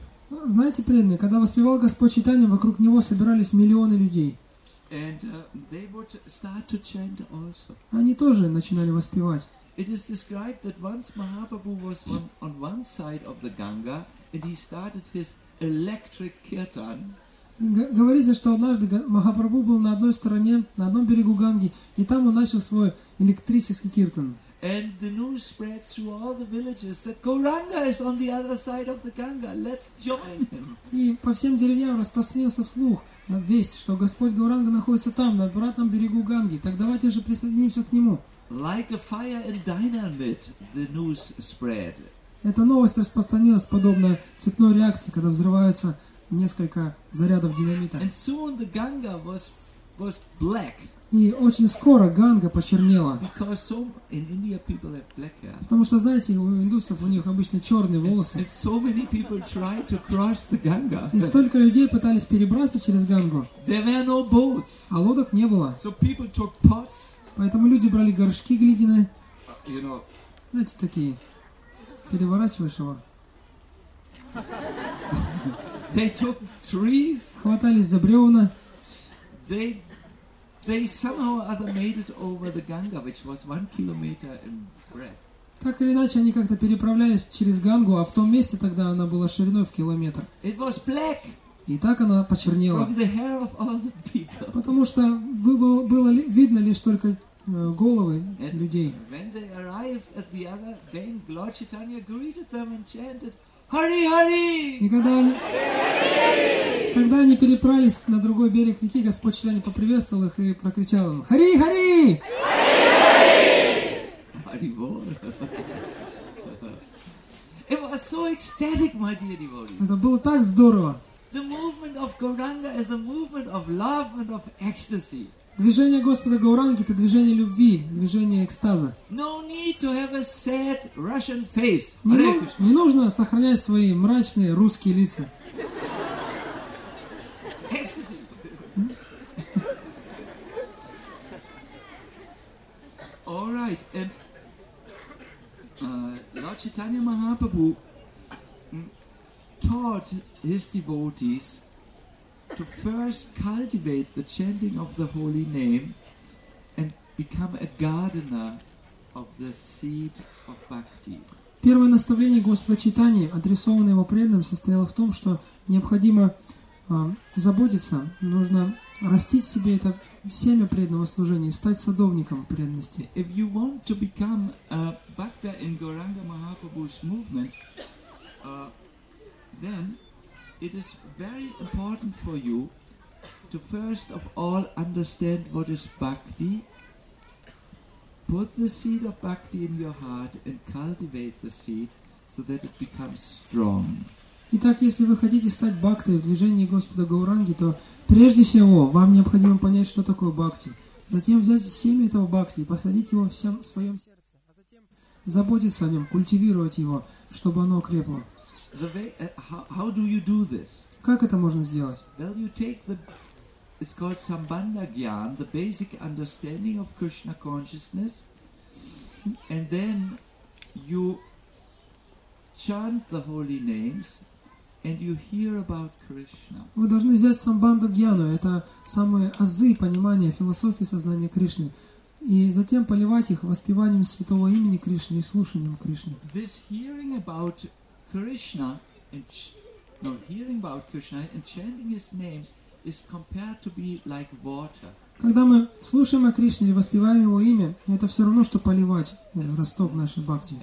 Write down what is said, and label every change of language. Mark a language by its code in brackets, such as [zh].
[ru] Знаете, преданные, когда воспевал Господь Чайтанья, вокруг него собирались миллионы людей. [en] And, they would start to chant also. [ru] Они тоже начинали воспевать. [en] It is described that once Mahaprabhu was on one side of the Ganga, and he started his electric kirtan. [ru] Говорится, что однажды Махапрабху был на одной стороне, на одном берегу Ганги, и там он начал свой электрический киртан. [en] And the news spread through all the villages that Gauranga is on the other side of the Ganga. Let's join him. [ru] И по всем деревням распространился слух, весть, что Господь Гауранга находится там, на обратном берегу Ганги. Так давайте же присоединимся к нему. [en] Like a fire in dynamite, the news spread. [ru] Эта новость распространилась подобно цепной реакции, когда взрываются несколько зарядов динамита. [en] And soon the Ganga was black. [ru] И очень скоро Ганга почернела. [en] So in India people have black hair. [ru] Потому что, знаете, у индусов у них обычно черные волосы. [en] And so many people tried to cross the Ganga. [ru] И столько людей пытались перебраться через Гангу. [en] There were no boats. [ru] А лодок не было. [en] So people took pots. [ru] Поэтому люди брали горшки глиняные. [en] You know, [ru] знаете, такие. Переворачиваешь его. [en] They took trees. [ru] Хватались за бревна. [en] They somehow or other made it over the Ganga, which was 1 kilometer in breadth. [ru] Так или иначе, они как-то переправлялись через Гангу, а в том месте тогда она была шириной в километр. [en] It was black. [ru] И так она почернела. [en] From the hair of all the people. [ru] Потому что было видно лишь только головы [en] and [ru] людей. [en] When they arrived at the other Dame, Lord Chaitanya greeted them and chanted, Hari Hari! [ru] И когда они переправились на другой берег реки, Господь Читания поприветствовал их и прокричал им, Хари Хари! Хари Хари! [en] It was so ecstatic, my dear devotees. [ru] Это было так здорово. [en] The movement of Gauranga is a movement of love and of ecstasy. [ru] Движение Господа Гауранги — это движение любви, движение экстаза. [en] No need to have a sad Russian face. [ru] Не нужно сохранять свои мрачные русские лица. [en] Ecstasy. All right. And Lord Chaitanya Mahaprabhu taught his devotees to first cultivate the chanting of the holy name and become a gardener of the seed of bhakti. Первое наставление Господа Чайтаньи, адресованное его преданным, состояло в том, что необходимо заботиться, нужно растить в себе это семя преданного служения, стать садовником преданности. If you want to become a bhakta in Gauranga Mahaprabhu's movement, then it is very important for you to first of all understand what is bhakti. Put the seed of bhakti in your heart and cultivate the seed so that it becomes strong. [ru] Итак, если вы хотите стать бхактой в движении Господа Гауранги, то прежде всего вам необходимо понять, что такое бхакти. Затем взять семя этого бхакти и посадить его всем в своем сердце, а затем заботиться о нем, культивировать его, чтобы оно крепло. [en] How do you do this? [ru] Как это можно сделать? [en] Well, you take it's called Sambandha Gyan, the basic understanding of Krishna consciousness, and then you chant the holy names, and you hear about Krishna. [ru] Вы должны взять Самбанду Гьяну, это самые азы понимания философии сознания Кришны, и затем поливать их воспеванием святого имени Кришны и слушанием Кришны. [en] This hearing about Krishna and hearing about Krishna and chanting his name is compared to be like water. [ru] Когда мы слушаем о Кришне или воспеваем его имя, это все равно что поливать росток нашей бхакти.